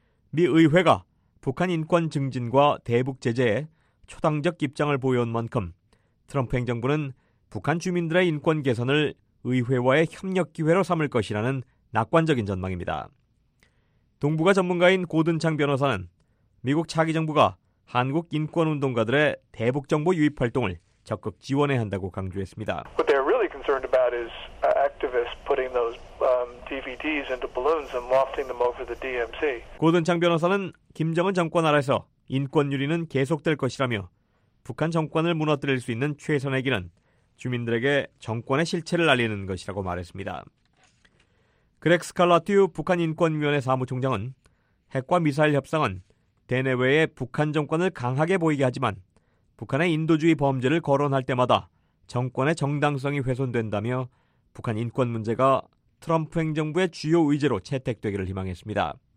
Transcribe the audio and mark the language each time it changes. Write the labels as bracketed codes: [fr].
[ko] 미 의회가 북한 인권 증진과 대북 제재에 초당적 입장을 보여온 만큼 트럼프 행정부는 북한 주민들의 인권 개선을 의회와의 협력 기회로 삼을 것이라는 낙관적인 전망입니다. 동북아 전문가인 고든창 변호사는 미국 차기 정부가 한국 인권운동가들의 대북 정보 유입 활동을 적극 지원해야 한다고 강조했습니다. [en] What they're really concerned about is activists putting those DVDs into balloons and wafting them over the DMZ. [ko] 고든창 변호사는 김정은 정권 아래서 인권 유린은 계속될 것이라며 북한 정권을 무너뜨릴 수 있는 최선의 길은 주민들에게 정권의 실체를 알리는 것이라고 말했습니다. 그렉 스칼라티우 북한 인권위원회 사무총장은 핵과 미사일 협상은 대내외에 북한 정권을 강하게 보이게 하지만 북한의 인도주의 범죄를 거론할 때마다 정권의 정당성이 훼손된다며 북한 인권 문제가 트럼프 행정부의 주요 의제로 채택되기를 희망했습니다.